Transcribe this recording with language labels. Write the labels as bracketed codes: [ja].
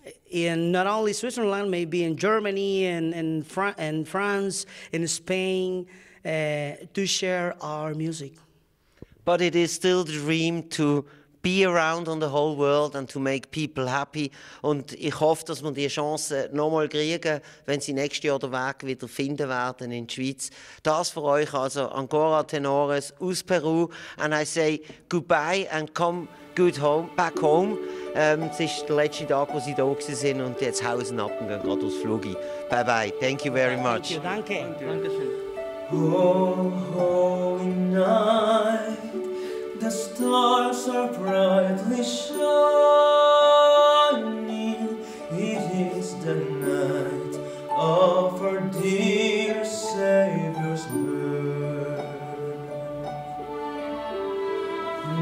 [en] In not only Switzerland, maybe in Germany and France, in Spain, to share our music. But it is still the dream to be around on the whole world and to make people happy. [de] Und ich hoffe, dass wir die Chance nochmal kriegen, wenn sie nächstes Jahr den Weg wieder finden werden in die Schweiz. Das für euch also Ancora Tenores aus Peru. [en] And I say goodbye and come good home, back home. [de] Es ist der letzte Tag, wo sie da waren und jetzt hauen sie ab und gehen gerade aufs Flugi. [en] Bye bye, thank you very much. Thank you, [de] danke. Danke schön. [en] Oh, holy night, the stars are brightly shining. It is the night of our dear Savior's birth.